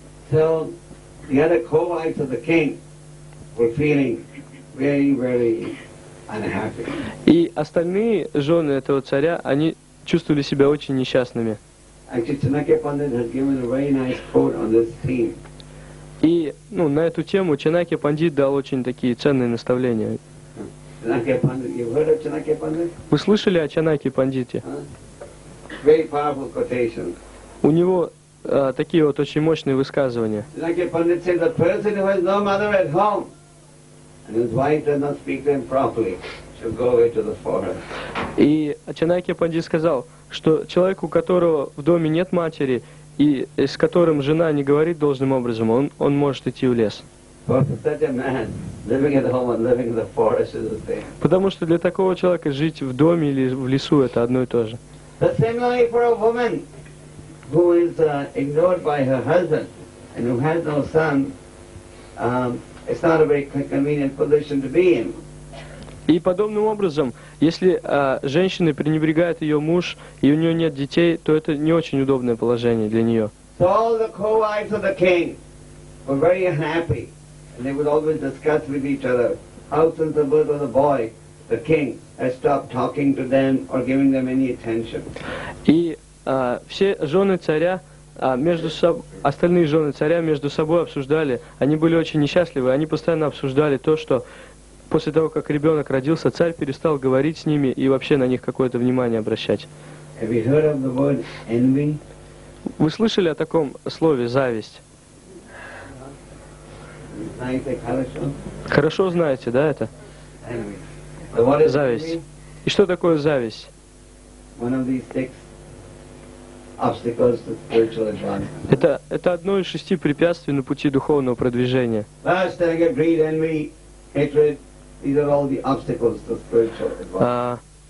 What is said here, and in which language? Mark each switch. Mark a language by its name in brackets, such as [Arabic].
[English] So the other co-wives of the king were feeling very, very unhappy. [Russian] И остальные жены этого царя, они чувствовали себя очень несчастными. [English] Actually, Chanakya Pandit has given a very nice quote on this theme. [Russian] И, ну, на эту тему Чанакья Пандит дал очень такие ценные наставления. [English] Chanakya Pandit, you heard of Chanakya Pandit? [Russian] Вы слышали о Чанакья Пандите? [English] Huh? Very powerful quotation. [Russian] У него такие вот очень мощные высказывания. [English] Chanakya Pandit says, the person who has no mother at home and his wife does not speak to him properly, should go away to the forest. [Russian] И Чанакья Пандит сказал, что человек, у которого в доме нет матери, и с которым жена не говорит должным образом, он может идти в лес. [English] For such a man, living at home and living in the forest is the same. [Russian] Потому что для такого человека жить в доме или в лесу это одно и то же. [English] The same way for a woman who is ignored by her husband and who has no son, it's not a very convenient position to be in. [Russian] И подобным образом, если женщины пренебрегают ее муж, и у нее нет детей, то это не очень удобное положение для нее. [English] So all the co-wives of the king were very unhappy, and they would always discuss with each other how since the birth of the boy, the king has stopped talking to them or giving them any attention. [Russian] И все жены царя, остальные жены царя между собой обсуждали, они были очень несчастливы, они постоянно обсуждали то, что после того, как ребенок родился, царь перестал говорить с ними и вообще на них какое-то внимание обращать. [English] Have you heard of the word envy? [Russian] Вы слышали о таком слове «зависть»? Знаете, хорошо? Хорошо знаете, да, это? [English] The word is [Russian] зависть. [English] Envy? [Russian] И что такое зависть? [English] One of these six obstacles to spiritual advancement. [Russian] Это одно из шести препятствий на пути духовного продвижения. [English] First, I get greed, envy, hatred. These are all the obstacles to spiritual advancement.